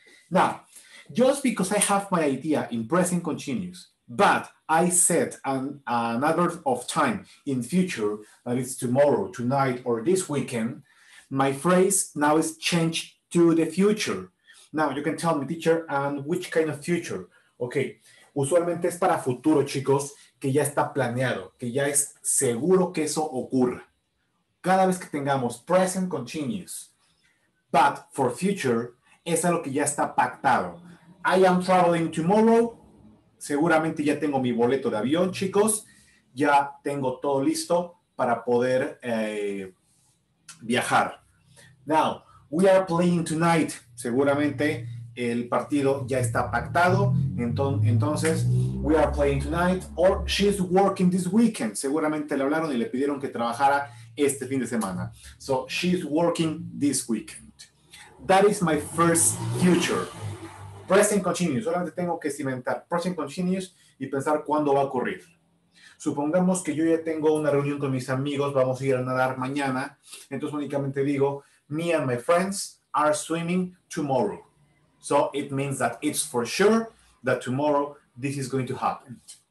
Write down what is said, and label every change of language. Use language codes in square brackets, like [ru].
[en] Now, just because I have my idea in present continuous, but I set an adverb of time in future, that is tomorrow, tonight, or this weekend, my phrase now is changed to the future. Now, you can tell me, teacher, and which kind of future? [es] Okay, usualmente es para futuro, chicos, que ya está planeado, que ya es seguro que eso ocurra. Cada vez que tengamos present continuous, [en] but for future, [es] es algo que ya está pactado. [en] I am traveling tomorrow. [es] Seguramente ya tengo mi boleto de avión, chicos. Ya tengo todo listo para poder viajar. [en] Now, we are playing tonight. [es] Seguramente el partido ya está pactado. [en] Entonces, we are playing tonight. Or she's working this weekend. [es] Seguramente le hablaron y le pidieron que trabajara este fin de semana. [en] So, she's working this weekend. That is my first future. Present continuous. [es] Solamente tengo que cimentar present continuous y pensar cuándo va a ocurrir. Supongamos que yo ya tengo una reunión con mis amigos. Vamos a ir a nadar mañana. Entonces, únicamente digo, [en] me and my friends are swimming tomorrow. So it means that it's for sure that tomorrow this is going to happen.